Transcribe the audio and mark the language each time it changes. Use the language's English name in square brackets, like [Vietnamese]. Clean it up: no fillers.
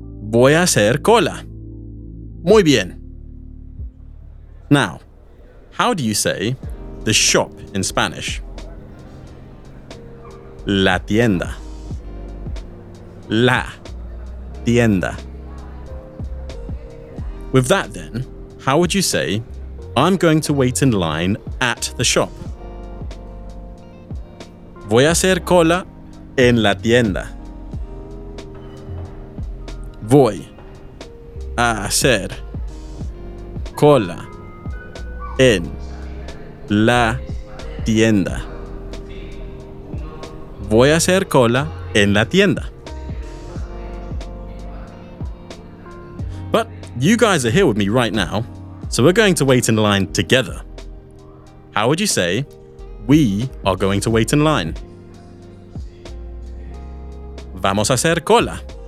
[Spanish] Voy a hacer cola. Muy bien. [English] Now, how do you say the shop in Spanish? [Spanish] La tienda. La tienda. [English] With that then, how would you say, I'm going to wait in line at the shop? [Spanish] Voy a hacer cola en la tienda. Voy a hacer cola en la tienda. Voy a hacer cola en la tienda. [English] But you guys are here with me right now, so we're going to wait in line together. How would you say we are going to wait in line? [Spanish] Vamos a hacer cola.